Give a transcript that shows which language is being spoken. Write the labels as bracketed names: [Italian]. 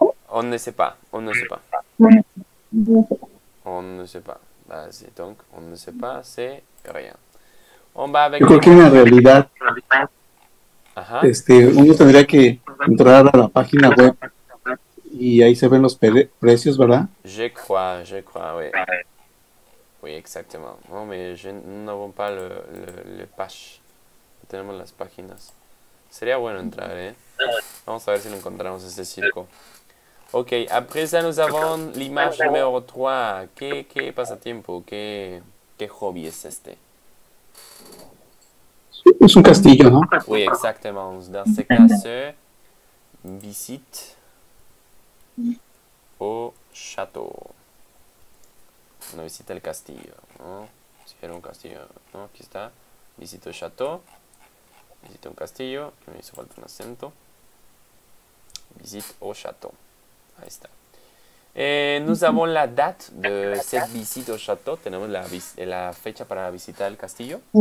[French] On ne sait pas. On ne sait pas. On ne sait pas. Bah, c'est donc, on ne sait pas, c'est rien. On va avec. [Spanish] Yo creo que en realidad, uno tendría que entrar a la página web. Y ahí se ven los precios, ¿verdad? [French] Je crois, oui. Oui, exactement. Non, mais je, nous n'avons pas le page. [Spanish] No tenemos las páginas. Sería bueno entrar, ¿eh? Vamos a ver si lo encontramos, ese circo. [French] Ok, après ça, nous avons l'image numéro 3. [Spanish] ¿Qué pasatiempo? ¿Qué hobby es este? Es un castillo, ¿no? [French] Oui, exactement. Dans ce cas, visite... [Spanish] O château. Uno visita el castillo, ¿no? Si era un castillo, ¿no? Aquí está. Visito el [French] château. [Spanish] Visito un castillo. Que me hizo falta un acento. [French] Visite au château. [Spanish] Ahí está. [French] Nous avons la date de cette visite au château. [Spanish] Tenemos la fecha para visitar el castillo.